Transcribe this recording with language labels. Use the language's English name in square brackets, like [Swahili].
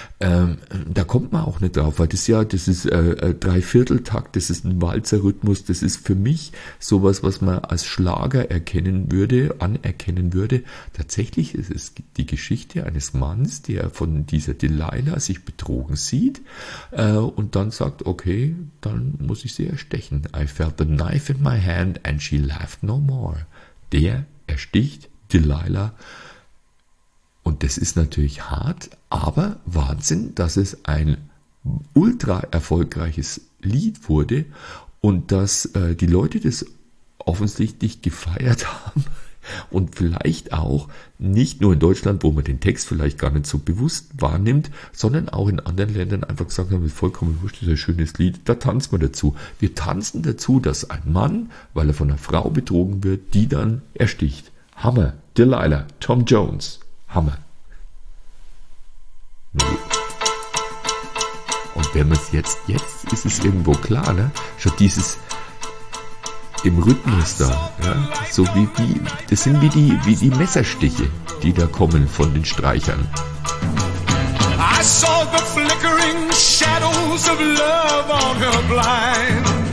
[German] Da kommt man auch nicht drauf, weil das ist Dreivierteltakt, das ist ein Walzer-Rhythmus, das ist für mich sowas, was man als Schlager anerkennen würde. Tatsächlich ist es die Geschichte eines Mannes, der von dieser Delilah sich betrogen sieht und dann sagt, okay, dann muss ich sie erstechen. [English] I felt the knife in my hand and she laughed no more. [German] Der ersticht Delilah. Und das ist natürlich hart, aber Wahnsinn, dass es ein ultra erfolgreiches Lied wurde und dass die Leute das offensichtlich gefeiert haben und vielleicht auch nicht nur in Deutschland, wo man den Text vielleicht gar nicht so bewusst wahrnimmt, sondern auch in anderen Ländern einfach gesagt haben, vollkommen wurscht, das ist ein schönes Lied, da tanzt man dazu. Wir tanzen dazu, dass ein Mann, weil er von einer Frau betrogen wird, die dann ersticht. Hammer, Delilah, Tom Jones. Hammer. Nee. Und wenn man es jetzt ist es irgendwo klar, ne? Schon dieses im Rhythmus da, ja? So wie die, das sind wie die Messerstiche, die da kommen von den Streichern. [English] I saw the flickering shadows of love on her blind.